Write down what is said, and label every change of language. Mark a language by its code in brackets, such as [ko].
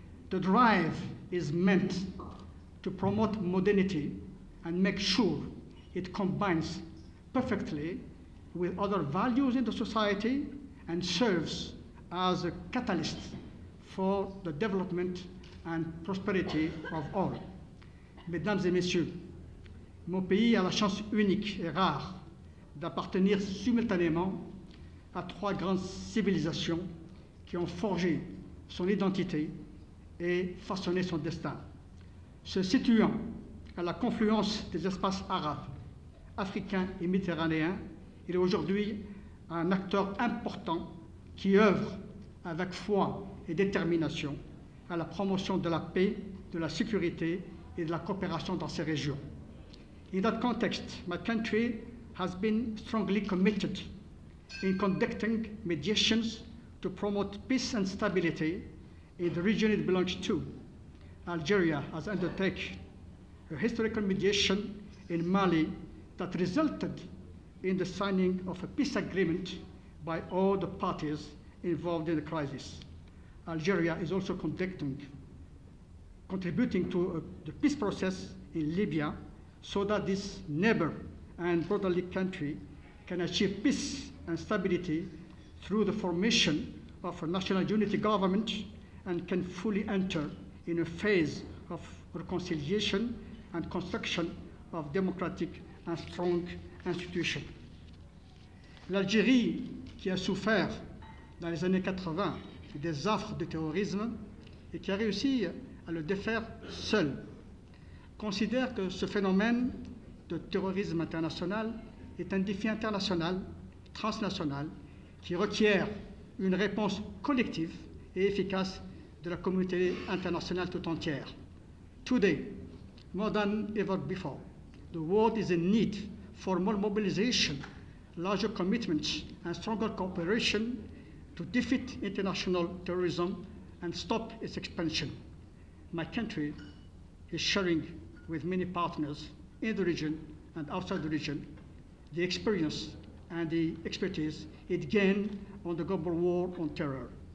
[en] The drive is meant to promote modernity and make sure it combines perfectly with other values in the society and serves as a catalyst for the development and prosperity of all. [fr] Mesdames et messieurs, mon pays a la chance unique et rare d'appartenir simultanément à trois grandes civilisations qui ont forgé son identité et façonné son destin. Se situant à la confluence des espaces arabes, africains et méditerranéens, il est aujourd'hui un acteur important qui œuvre avec foi et détermination à la promotion de la paix, de la sécurité et de la coopération dans ces régions. [en] In that context, my country has been strongly committed in conducting mediations to promote peace and stability in the region it belongs to. Algeria has undertaken a historical mediation in Mali that resulted in the signing of a peace agreement by all the parties involved in the crisis. Algeria is also contributing to the peace process in Libya so that this neighbor and brotherly country can achieve peace and stability through the formation of a national unity government and can fully enter in a phase of reconciliation and construction of democratic and strong institutions. [fr] L'Algérie, qui a souffert dans les années 80 des affres de terrorisme et qui a réussi à le défaire seule, considère que ce phénomène de terrorisme international est un défi international, transnational, qui requiert une réponse collective et efficace de la communauté internationale tout entière. [en] Today, more than ever before, the world is in need for more mobilization, larger commitments, and stronger cooperation to defeat international terrorism and stop its expansion. My country is sharing with many partners in the region and outside the region the experience and the expertise it gained on the global war on terror.